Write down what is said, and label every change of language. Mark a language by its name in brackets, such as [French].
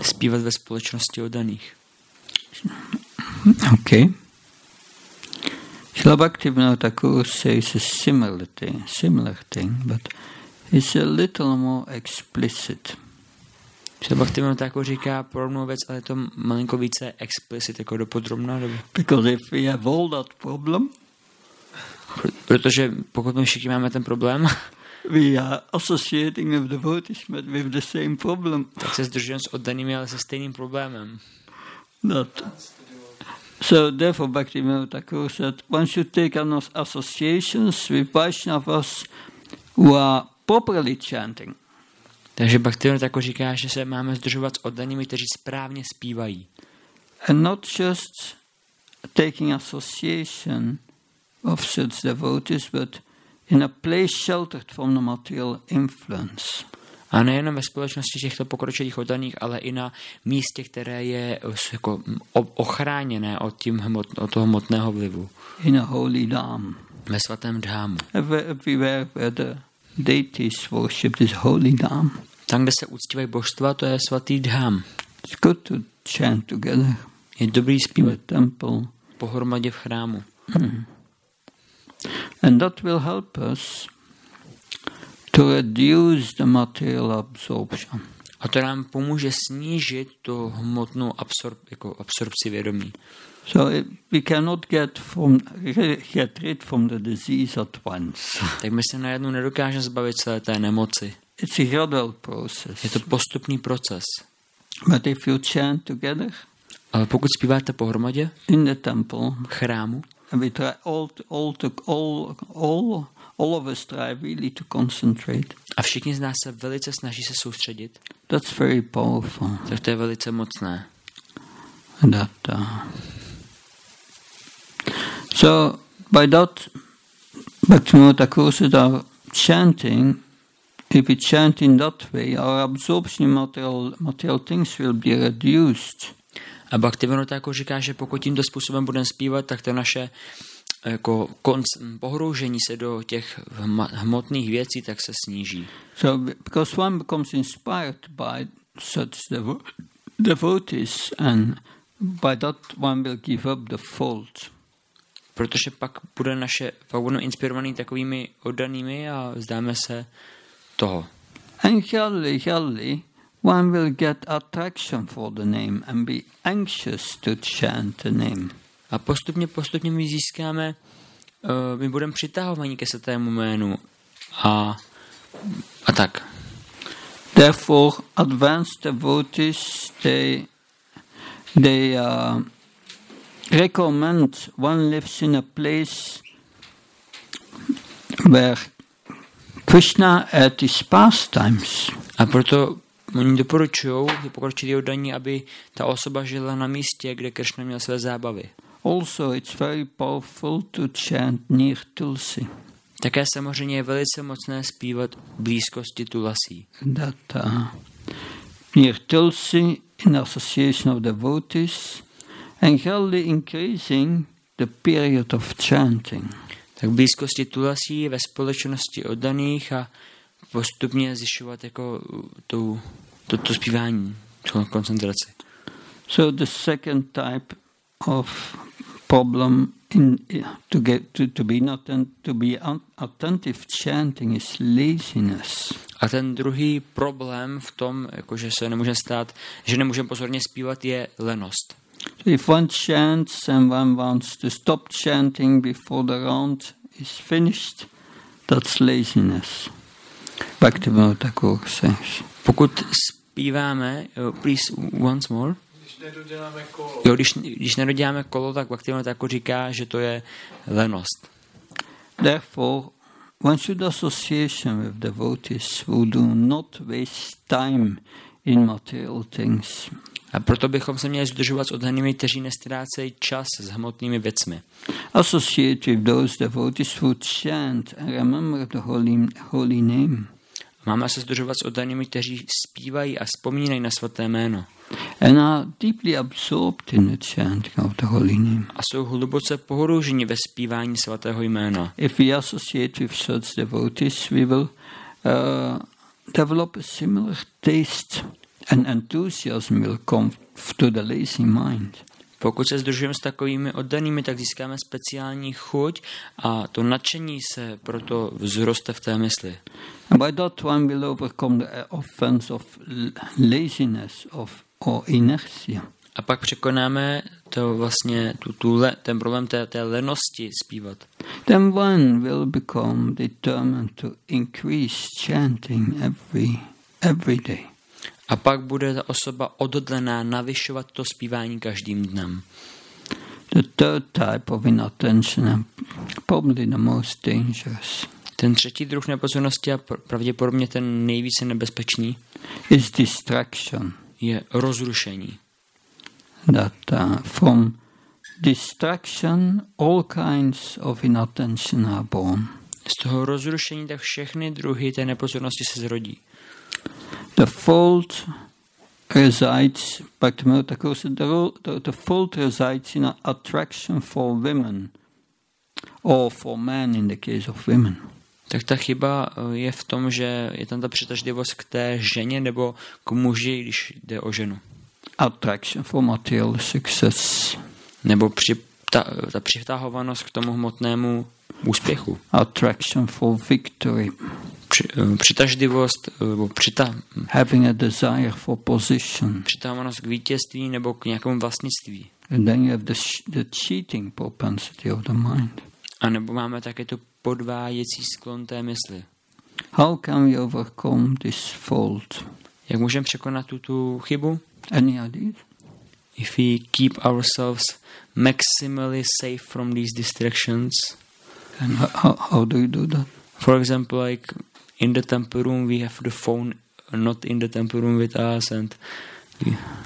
[Czech] Zpívat ve společnosti oddaných. [English] Okay. Śrīla Bhaktivinoda Thakura says a similar thing, but it's a little more explicit. [Czech] Śrīla Bhaktivinoda Thakura říká podobnou věc, ale je to malinko více explicit, jako do podrobná. [English] Because if we have all that problem, [Czech] protože pokud my všichni máme ten problém, [English] we are associating with devotees but with the same problem. [Czech] Tak se združujeme s oddanými, ale se stejným problémem. [English] Not. So therefore Bhaktivinoda Thakura said one should take on those associations with Vaishnavas who are properly chanting. [Czech] Takže Bhaktivinoda Thakura říká, že se máme združovat s oddanými, kteří správně zpívají. [English] And not just taking association of such devotees, but in a place sheltered from the material influence. [Czech] A nejenom ve společnosti těchto pokročilých oddaných, ale i na místě, které je jako ochráněné od tím od toho hmotného vlivu. [English] In a holy dham. [Czech] Ve svatém dhámu. [English] Everywhere where the deities worship is holy dham. [Czech] Tam, kde se uctívají božstva, to je svatý dham. [English] It's good to chant together. [Czech] Je dobrý zpívat [English] in a temple. [Czech] Pohromadě v chrámu. [English] And that will help us to reduce the material absorption. [Czech] A to nám pomůže snížit tu hmotnou absorpci vědomí. [English] So we cannot get rid from the disease at once. [Czech] Tak my se najednou nedokážeme zbavit celé té nemoci. [English] It's a gradual process. [Czech] Je to postupný proces. [English] But if you chant together, [Czech] ale pokud zpíváte pohromadě, [English] in the temple, [Czech] v chrámu, [English] and we try all of us try really to concentrate. [Czech] A všichni z nás se velice snaží se soustředit. [English] That's very powerful. [Czech] Tak to je velice mocné. [English] That, so by that, Bhaktivinoda Thakura said our chanting, if we chant in that way, our absorption of material things will be reduced. [Czech] A Bhaktivinoda Thakura říká, že pokud tímto způsobem budeme zpívat, tak to naše jako pohroužení se do těch hmotných věcí tak se sníží. [English] So because one becomes inspired by such devotees and by that one will give up the fault. [Czech] Protože pak budeme inspirovaný takovými oddanými a vzdáme se toho. [English] And gradually one will get attraction for the name and be anxious to chant the name. [Czech] A postupně my získáme, my budeme přitahovaní ke svatému jménu a tak. [English] Therefore, advanced devotees, they recommend one lives in a place where Krishna at his pastimes. [Czech] A proto oni doporučují, pokročilí oddaní, aby ta osoba žila na místě, kde Krishna měl své zábavy. [English] Also, it's very powerful to chant near Tulsi. [Czech] Také samozřejmě je velice mocné zpívat v blízkosti Tulasi. [English] That near Tulsi in association of devotees and gradually increasing the period of chanting. [Czech] Tak v blízkosti Tulasi ve společnosti oddaných a postupně zjišťovat jako to zpívání, tu koncentraci. [English] So the second type of problem to be attentive chanting is laziness. [Czech] A ten druhý problém v tom, jakože se nemůže stát, že nemůžeme pozorně zpívat, je lenost. [English] So if one chants and one wants to stop chanting before the round is finished, that's laziness. Back to Bhaktivinoda Thakura says. [Czech] Pokud zpíváme, [English] please once more. [Czech] Když nedoděláme kolo, tak Bhaktivinoda Thakura říká, že to je lenost. [English] Therefore, one should association with devotees who do not waste time in material things. [Czech] A proto bychom se měli zdržovat s oddanými, kteří nestrácejí čas s hmotnými věcmi. [English] Associate with those devotees who chant and remember the holy name. [Czech] Máme se združovat s oddanými, kteří zpívají a vzpomínají na svaté jméno. [English] And are deeply absorbed in the chanting of the holy name. [Czech] A jsou hluboce pohroženi ve zpívání svatého jména. [English] If we associate with such devotees, we will develop a similar taste and enthusiasm will come to the lazy mind. [Czech] Pokud se združujeme s takovými oddanými, tak získáme speciální chuť a to nadšení se proto vzroste v té mysli. [English] And by that one will overcome the offense of laziness of or inertia. [Czech] A pak překonáme to vlastně ten problém té lenosti zpívat. [English] Then one will become determined to increase chanting every day. [Czech] A pak bude ta osoba odhodlená navyšovat to zpívání každým dnem. [English] The third type of inattention, probably the most dangerous. [Czech] Ten třetí druh nepozornosti a pravděpodobně ten nejvíce nebezpečný [English] is distraction. [Czech] Je rozrušení. [English] That from distraction all kinds of inattention are born. [Czech] Z toho rozrušení tak všechny druhy té nepozornosti se zrodí. [English] The fault resides, Bhaktivinoda Thakura said, the fault resides in an attraction for women or for men in the case of women. [Czech] Tak ta chyba je v tom, že je tam ta přitažlivost k té ženě nebo k muži, když jde o ženu. [English] Attraction for material success. [Czech] Nebo ta přitahovanost k tomu hmotnému úspěchu. [English] Attraction for victory. [Czech] Přitažlivost nebo [English] having a desire for position. [Czech] Přitahovanost k vítězství nebo k nějakému vlastnictví. [English] And then you have the cheating propensity of the mind. [Czech] A nebo máme také to podvádějící sklon té mysli. [English] How can we overcome this fault? [Czech] Jak můžeme překonat tu chybu? [English] Any ideas? If we keep ourselves maximally safe from these distractions. And how do you do that? For example, like in the temple room, we have the phone not in the temple room with us and okay.